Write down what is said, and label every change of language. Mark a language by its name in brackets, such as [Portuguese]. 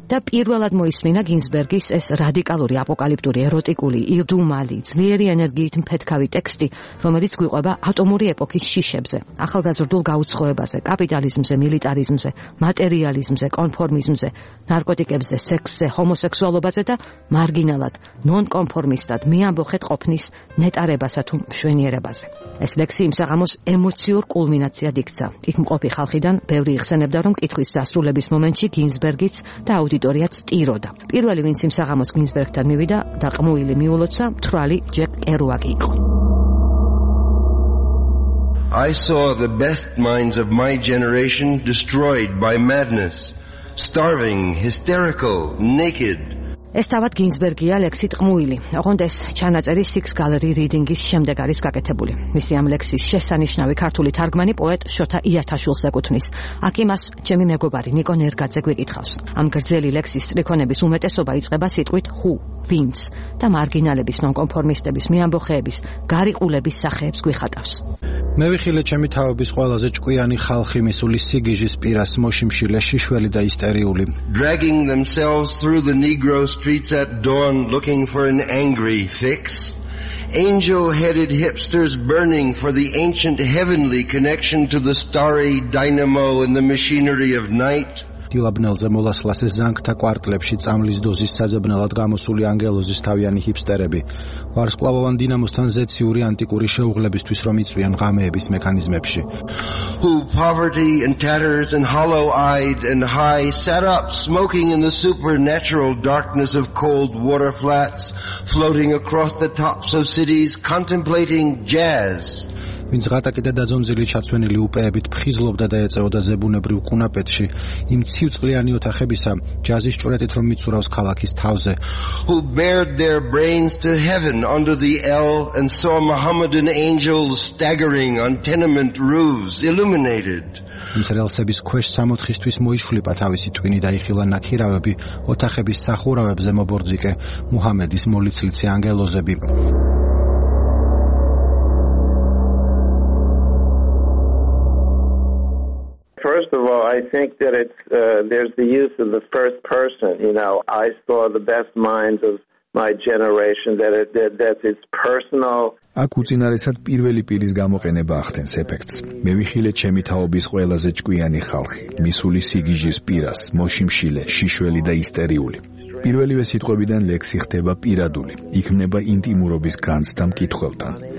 [Georgian] და პირველად მოისმინა გინსბერგის ეს რადიკალური, აპოკალიპტური, ეროტიკული, ირდუმალი, ძლიერი ენერგიით მფეთქავი ტექსტი, რომელიც გვიყვება ატომური ეპოქის შიშებზე, ახალგაზრდულ გაუცხოებაზე, კაპიტალიზმზე, მილიტარიზმზე, მატერიალიზმზე, კონფორმიზმზე, ნარკოტიკებზე, სექსზე, ჰომოსექსუალობაზე და მარგინალად, ნონკონფორმისტად, მეამბოხეთ ყოფნის ნეტარებასა თუ მშვენიერებაზე. ეს ლექსი იმ საღამოს ემოციურ კულმინაციად იქცა. იქ მყოფი ხალხიდან ბევრი იხსენებდა, რომ კითხვის დასრულების მომენტში გინსბერგიც და აუდიტორიაც ტიროდა. პირველი, ვინც იმ საღამოს გინსბერგთან მივიდა და ყმუილი მიულოცა, მთვრალი ჯეკ კერუაკი იყო. [English] I saw the best minds of my generation destroyed by madness, starving, hysterical, naked. [Georgian] ეს თავად გინსბერგია, ლექსი ტყმუილი. ოღონდ ეს ჩანაწერი Six Gallery Readings-ის შემდეგ არის გაკეთებული. მისი ამ ლექსის შესანიშნავი ქართული თარგმანი პოეტ შოთა იათაშვილს ეკუთვნის. აქ იმას ჩემი მეგობარი ნიკო ნერგაძე გვიკითხავს. ამ გრძელი ლექსის სტრიქონების უმეტესობა იწყება სიტყვით ჰუ, ვინც და მარგინალების, ნონკონფორმისტების, მეამბოხეების, გარიყულების სახეებს გვიხატავს. მე ვიხილე ჩემი თაობის ყველაზე ჭკვიანი ხალხი, მისული სიგიჟის პირას, მოშიმშილე, შიშველი და ისტერიული. [English] Dragging themselves through the negro streets at dawn looking for an angry fix. Angel-headed hipsters burning for the ancient heavenly connection to the starry dynamo and the machinery of night. [Georgian] დილაბნელზე მოლასლასე ზანგთა კვარტლებში წამლის დოზის საზებნელად გამოსული ანგელოზის თავიანი ჰიპსტერები, ვარსკვლავოვან დინამოსთან ზეციური ანტიკური შეუღლებისთვის რომ იწვიან ღამეების მექანიზმებში. [English] Who poverty and tatters and hollow-eyed and high sat up smoking in the supernatural darkness of cold water flats floating across the tops of cities contemplating jazz. [Georgian] ვინც ღატაკი და დაძონძილი ჩაცვენილი უპეებით ფხიზლობდა და ეწეოდა ზებუნებრივ ყუნაპეთში იმ ცივწყლიანი ოთახებისა ჯაზის ჭურეთით რომ მიცურავს ქალაქის თავზე. [English] Who bared their brains to heaven under the L and saw Mohammedan angels staggering on tenement roofs illuminated. [Georgian] ინსრელსების ქვეშ 60-ისთვის მოიშვლიპა თავისი ტვინი და იხილა ნაქირავები ოთახების სახურავებზე მობორძიკე მუჰამედის მოლიცლიცი ანგელოზები. [English] First of all, I think that there's the use of the first person, you know, I saw the best minds of my generation that it's personal. [Georgian] აქ უწინარესად პირველი პირის გამოყენება ახდენს ეფექტს. მე ვიხილე ჩემი თაობის ყველაზე ჭკვიანი ხალხი, მისული სიგიჟის პირას, მოშიმშილე, შიშველი და ისტერიული. პირველივე სიტყვებიდან ლექსი ხდება პირადული, იქმნება ინტიმურობის განცდა მკითხველთან.